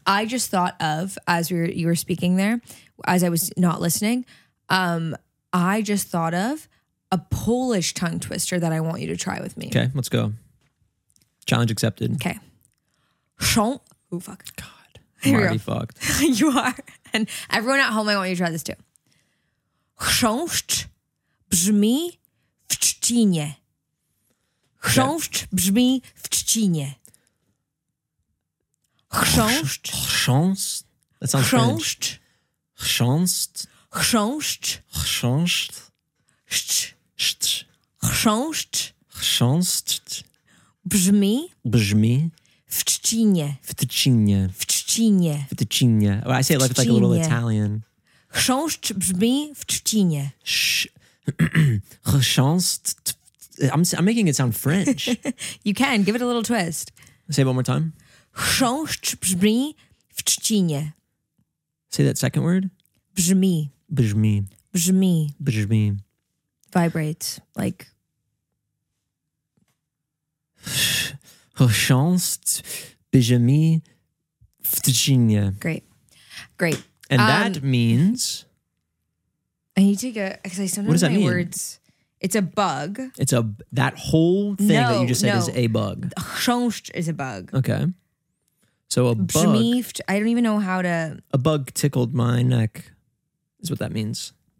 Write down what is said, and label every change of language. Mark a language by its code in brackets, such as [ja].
[en] I just thought of, as you were speaking there, as I was not listening, I just thought of a Polish tongue twister that I want you to try with me. Okay, let's go. Challenge accepted. Okay. Oh fuck. God. I'm already fucked. You are. And everyone at home, I want you to try this too. [pl] Chrząst brzmi w trzcinie. Chrząst brzmi w trzcinie. Chrząst. [en] Chrząst. That sounds French. Chrząst. [pl] Chrząst. Chrząst. Chrząst. Chrząst. Chrząst. Brzmi. Brzmi. W trzcinie. W trzcinie. W trzcinie. W trzcinie. [en] I say it like a little Italian. [pl] Chrząst brzmi w trzcinie. Chrząst. [en] I'm making it sound French. You can. Give it a little twist. Say it one more time. [pl] Chrząst brzmi w trzcinie. [en] Say that second word. [pl] Brzmi. Brzmi. Brzmi. Brzmi. [en] Vibrates. Like. [pl] Chrząst brzmi w trzcinie. [en] Great. Great. And that means. I need to get. Because I sometimes say words. It's a bug. It's a. That whole thing that you just said is a bug. Chrząst is a bug. Okay. So a bug. Bzmieft, I don't even know how to. A bug tickled my neck is what that means.